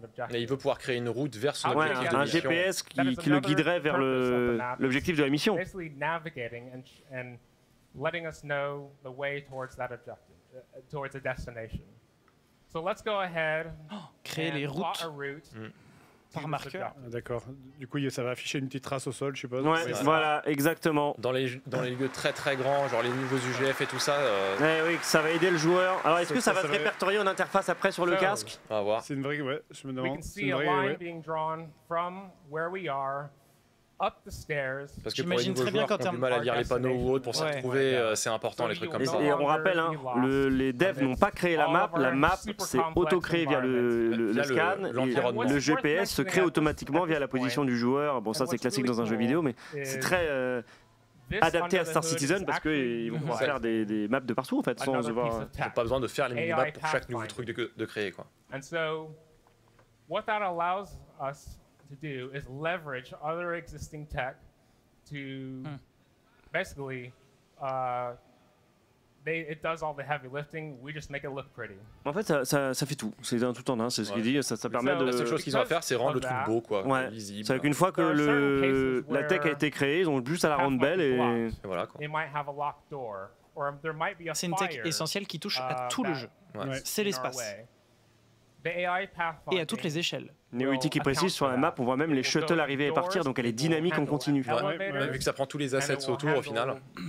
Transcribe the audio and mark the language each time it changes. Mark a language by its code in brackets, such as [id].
[fr] Mais il veut pouvoir créer une route vers son objectif de mission. Un GPS qui le guiderait vers l'objectif de la mission. [en] Basically navigating and letting us know the way towards that objective, towards a destination. So let's go ahead. [fr] Créer les routes. Par marqueur. D'accord. Du coup, ça va afficher une petite trace au sol, je suppose. Ouais, voilà, exactement. Dans les lieux très très grands, genre les niveaux UGF et tout ça. Eh oui, ça va aider le joueur. Alors, est-ce que ça va se répertorier en interface après sur le casque? On va voir. C'est une vraie. Ouais, je me demande. [en] We can see a line being drawn from where we are. Up the stairs. [fr] Parce que j'imagine pour les nouveaux joueurs qui ont du mal à lire les panneaux ou autres pour s'y retrouver, c'est important les trucs comme ça. Et on rappelle, les devs n'ont pas créé la map c'est auto-créé via le scan, le GPS se crée automatiquement via la position du joueur. Bon, ça c'est classique dans un jeu vidéo, mais c'est très adapté à Star Citizen parce qu'ils vont pouvoir faire des maps de partout en fait. Sans avoir. Ils n'ont pas besoin de faire les mini-maps pour chaque nouveau truc de créer. Quoi. [en] And so, what that allows us to do is leverage other existing tech to basically it does all the heavy lifting, we just make it look pretty. [fr] En fait ça fait tout, c'est un tout en un, c'est ce qu'il dit, ça permet de la seule chose qu'ils ont à faire c'est rendre le truc beau quoi, visible. C'est qu'une fois que la tech a été créée, ils ont juste à la rendre belle et voilà quoi. [en] They might have a locked door or there might be a fire. [fr] C'est une tech essentielle qui touche à tout le jeu. C'est l'espace. Et à toutes les échelles. Neuity qui précise sur la map, on voit même les shuttles arriver et partir, donc elle est dynamique en continu. Ouais, vu que ça prend tous les assets autour au final.